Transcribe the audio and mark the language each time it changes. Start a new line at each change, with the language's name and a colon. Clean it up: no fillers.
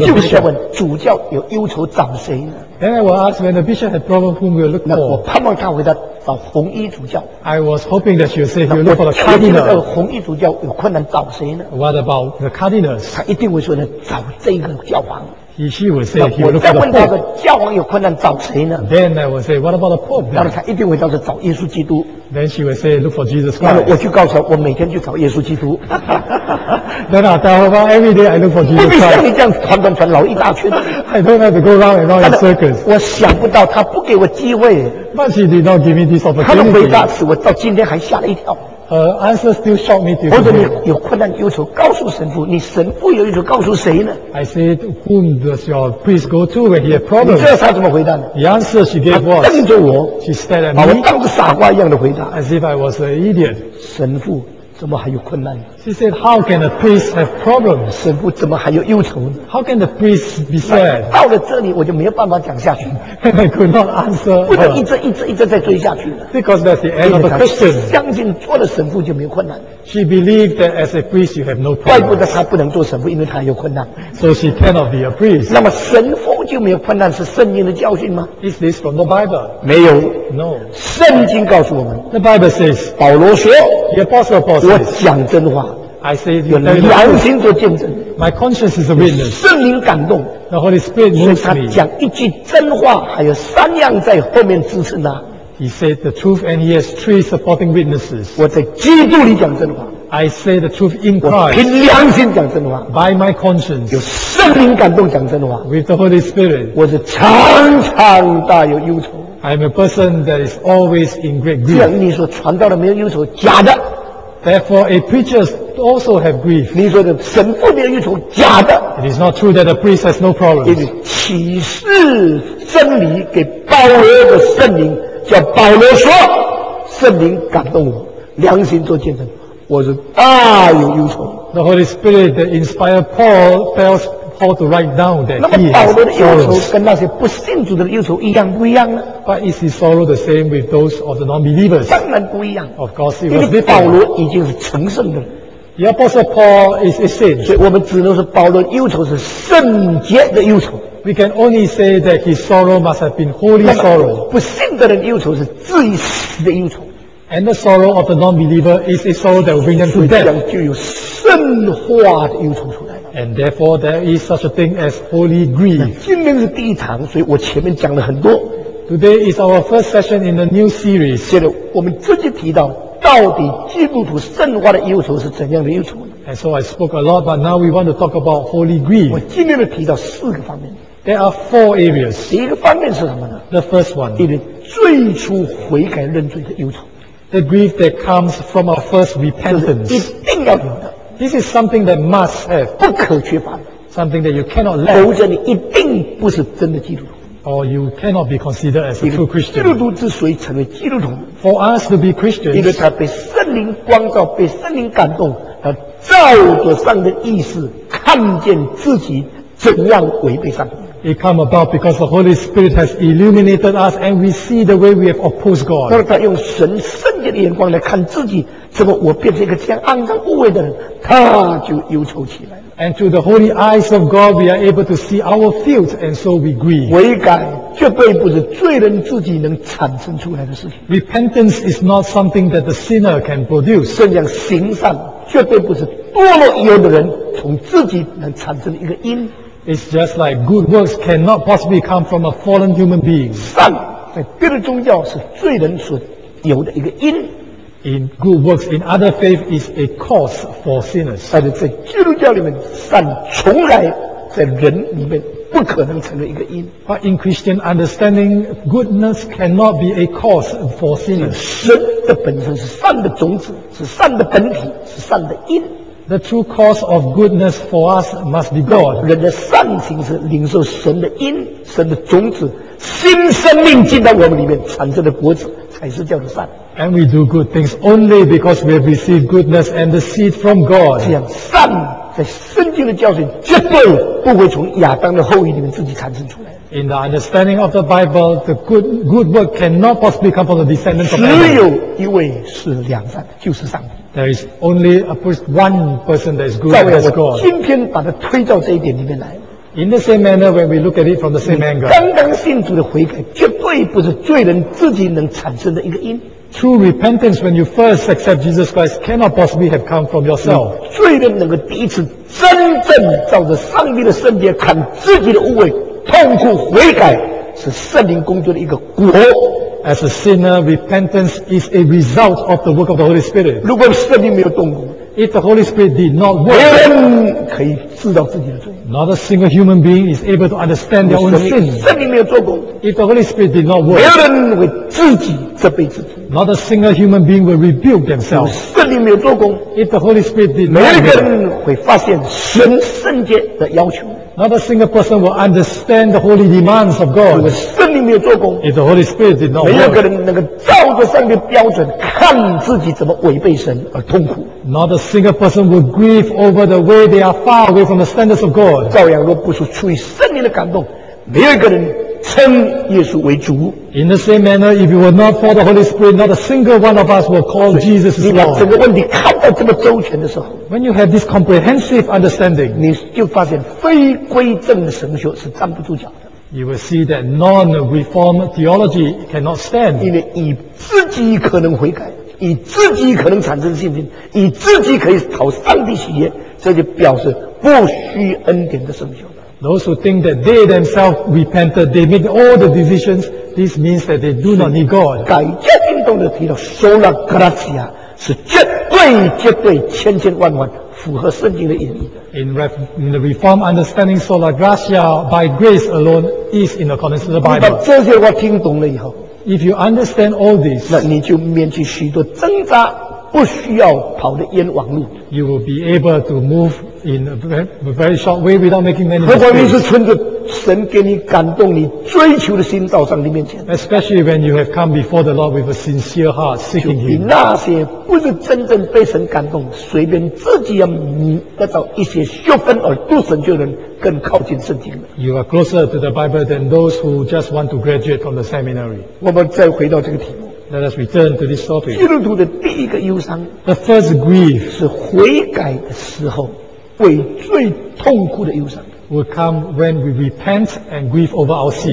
English: the bishop.
Chinese: 我就想问主教有忧愁找谁呢？
English: Then I will ask when the bishop had problem whom we will look for.
Chinese: 我盼望他回答找红衣主教。
English: I was hoping that she would say he will look for the cardinal.
Chinese: 那红衣主教有困难找谁呢？
English: What about the cardinals?
Chinese: 他一定会说呢找这个教皇。
English: He she will say he will look for the pope.
Chinese: 我再问他的教皇有困难找谁呢？
English: Then I will say what about the pope?
Chinese: 当然他一定会说找耶稣基督。
English: Then she will say look for Jesus Christ.
Chinese: 我就告诉他我每天去找耶稣基督。
English: Then I tell her every day I look for Jesus Christ.
Chinese: 你不像你这样团团团绕一大圈。
English: I don't have to go round and round in circles.
Chinese: 我想不到他不给我机会。
English: But she did not give me this opportunity.
Chinese: 他的回答使我到今天还吓了一跳。
English: Answer still shocked me.
Chinese: 或者你有困难忧愁，告诉神父，你神父有忧愁，告诉谁呢
English: ？I said, whom does your priest go to when he has problems?
Chinese: 你知道他怎么回答的
English: ？The answer she gave was,
Chinese: 瞪着我
English: ，She stared at me,
Chinese: 把我当成傻瓜一样的回答
English: ，As if I was an idiot.
Chinese: 神父怎么还有困难
English: ？She said, How can a priest have problems?
Chinese: 神父怎么还有忧愁
English: ？How can the priest be sad?
Chinese: 到了这里我就没有办法讲下去
English: ，I could not answer.
Chinese: 不能一直再追下去了
English: ，Because that's the end of the question.
Chinese: 相信做了神父就没有困难。
English: She believed that as a priest you have no problem.
Chinese: 怪不得他不能做神父，因为他有困难。
English: So she cannot be a priest.
Chinese: 那么神父就没有困难是圣经的教训吗
English: ？Is this from the Bible?
Chinese: 没有
English: ，No.
Chinese: 圣经告诉我们
English: ，The Bible says.
Chinese: 保罗说
English: ，The Apostle Paul.
Chinese: 我讲真话
English: I say,
Chinese: 有良心做见证
English: My conscience is a witness.
Chinese: 圣灵感动
English: The Holy Spirit moves me.
Chinese: 所以他讲一句真话还有三样在后面支持他
English: He said the truth and he has three supporting witnesses.
Chinese: 我在基督里讲真话
English: I say the truth in Christ.
Chinese: 我凭良心讲真话
English: By my conscience.
Chinese: 有圣灵感动讲真话
English: With the Holy Spirit.
Chinese: 我是常常大有忧愁
English: I'm a person that is always in great grief.
Chinese: 既然你说传道的没有忧愁假的
English: Therefore, a preacher also have grief.
Chinese: 你说的神父没有忧愁，假的。
English: It is not true that a priest has no problems.
Chinese: 因为启示真理给保罗的圣灵，叫保罗说，圣灵感动我，良心做见证，我是大有忧愁。
English: The Holy Spirit that inspired Paul tells Paul to write down that he has sorrows.
Chinese: 那么保罗的忧愁跟那些不信主的忧愁一样不一样呢？
English: But is his sorrow the same with those of the non-believers?
Chinese: 当然不一样。
English: Of course, it was different.
Chinese: 因为保罗已经是成圣的了。
English: The Apostle Paul is a saint.
Chinese: 所以我们只能说保罗忧愁是圣洁的忧愁。
English: We can only say that his sorrow must have been holy sorrow.
Chinese: 不信的人忧愁是自己死的忧愁。
English: And the sorrow of the non-believer is a sorrow that will bring them to death.
Chinese: 这样就有圣化的忧愁出来。
English: And therefore, there is such a thing as holy grief.
Chinese: 今天是第一堂，所以我前面讲了很多。
English: Today is our first session in the new series.
Chinese: 接着我们直接提到到底基督徒圣化的忧愁是怎样的忧愁呢
English: And so I spoke a lot, but now we want to talk about holy grief.
Chinese: 我今天提到四个方面。
English: There are four areas.
Chinese: 第一个方面是什么呢
English: The first one.
Chinese: 因为最初悔改认罪的忧愁。
English: The grief that comes from our first repentance.
Chinese: 一定要有的。
English: This is something that must have.
Chinese: 不可缺乏的。
English: Something that you cannot lack.
Chinese: 否则你一定不是真的基督徒。
English: Or you cannot be considered as a true Christian.
Chinese: 基督徒之所以成为基督徒
English: For us to be Christians,
Chinese: 因为他被圣灵光照，被圣灵感动，他照着上帝的意思，看见自己怎样违背上帝。
English: It come about because the Holy Spirit has illuminated us, and we see the way we have opposed God.
Chinese: 当他用神圣洁的眼光来看自己，怎么我变成一个这样肮脏污秽的人，他就忧愁起来。
English: And through the holy eyes of God, we are able to see our filth, and so we grieve.
Chinese: 悔改绝对不是罪人自己能产生出来的事情。
English: Repentance is not something that the sinner can produce.
Chinese: 甚至行善绝对不是堕落以后的人从自己能产生一个因。
English: It's just like good works cannot possibly come from a fallen human being.
Chinese: 善在别的宗教是罪人所有的一个因。
English: In good works, in other faith, is a cause for sinners.
Chinese: 但是在基督教里面，善从来在人里面不可能成为一个因。
English: But in Christian understanding, goodness cannot be a cause for sinners.
Chinese: 神的本身是善的种子，是善的本体，是善的因。
English: The true cause of goodness for us must be God.
Chinese: 人的善行是领受神的因，神的种子，新生命进到我们里面产生的果子，才是叫做善。
English: And we do good things only because we have received goodness and the seed from God.
Chinese: 这样善在圣经的教训绝对不会从亚当的后裔里面自己产生出来。
English: In the understanding of the Bible, the good work cannot possibly come from the descendants of Adam.
Chinese: 只有一位是良善的，就是上帝。
English: There is only a one person that is good as God.
Chinese: 今天把它推到这一点里面来。
English: In the same manner, when we look at it from the same angle,
Chinese: 刚刚信主的悔改绝对不是罪人自己能产生的一个因。
English: True repentance, when you first accept Jesus Christ, cannot possibly have come from yourself.
Chinese: 罪人能够第一次真正照着上帝的圣洁看自己的污秽，痛苦悔改，是圣灵工作的一个果。
English: As a sinner, repentance is a result of the work of the Holy Spirit.
Chinese: 如果圣灵没有动工，
English: if the Holy Spirit did not work,
Chinese: 没人可以知道自己的罪。
English: Not a single human being is able to understand their own sin.
Chinese: 圣灵没有做工，
English: if the Holy Spirit did not work,
Chinese: 没人为自己这辈子。
English: Not a single human being will rebuke themselves.
Chinese: 圣灵没有做工，
English: if the Holy Spirit did not work,
Chinese: 没人会发现神圣洁的要求。
English: Not a single person will understand the holy demands of God.
Chinese: 如果圣灵没有做工，
English: if the Holy Spirit did not work,
Chinese: 没有个人能够照着上帝的标准看自己怎么违背神而痛苦。
English: Not a single person will grieve over the way they are far away from the standards of God.
Chinese: 照样若不是出于圣灵的感动，没有个人称耶稣为主。
English: In the same manner, if you were not for the Holy Spirit, not a single one of us will call Jesus as Lord.
Chinese: 你把整个问题看到这么周全的时候，
English: when you have this comprehensive understanding,
Chinese: 你就发现非归正的神学是站不住脚的。
English: You will see that non-reformed theology cannot stand.
Chinese: 因为以自己可能悔改，以自己可能产生信心，以自己可以讨上帝喜悦，这就表示不需恩典的神学。
English: Those who think that they themselves repented, they make all the decisions, this means that they do not need God.
Chinese: 改革运动的提到 sola gratia 是绝对绝对千千万万符合圣经的意义的。
English: In the Reform understanding, sola gratia by grace alone is in accordance to the Bible.
Chinese: 你把这些话听懂了以后，
English: if you understand all this,
Chinese: 那你就免去许多挣扎不需要跑的冤枉路。
English: You will be able to move in a very short way without making many mistakes.
Chinese: 如果你是存着神给你感动你追求的心到上帝面前，
English: especially when you have come before the Lord with a sincere heart seeking Him,
Chinese: 就比那些不是真正被神感动随便自己要得到一些学分而读神学的人更靠近圣经。
English: You are closer to the Bible than those who just want to graduate from the seminary.
Chinese: 我们再回到这个题目。
English: Let us return to this topic.
Chinese: 基督徒的第一个忧伤，
English: the first grief,
Chinese: 是悔改的时候为最痛苦的忧伤，
English: will come when we repent and grieve over our sins.